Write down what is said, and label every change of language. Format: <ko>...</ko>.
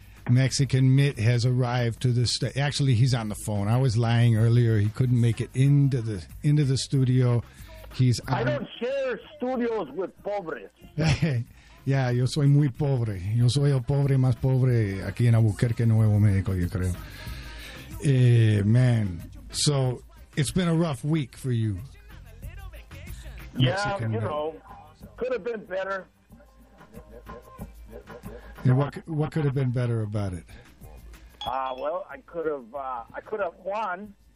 <en>Mexican Mitt has arrived to the actually, he's on the phone. I was lying earlier. He couldn't make it into the studio. He's on. I don't share studios with pobres.</en> <es>Yeah, yo soy muy pobre. Yo soy el pobre más pobre aquí en Albuquerque, Nuevo México, yo creo.</es> <en>Man, so it's been a rough week for you. Yeah, Mexican, you know, could have been better. And what could have been better about it? Well, I could have won.</en>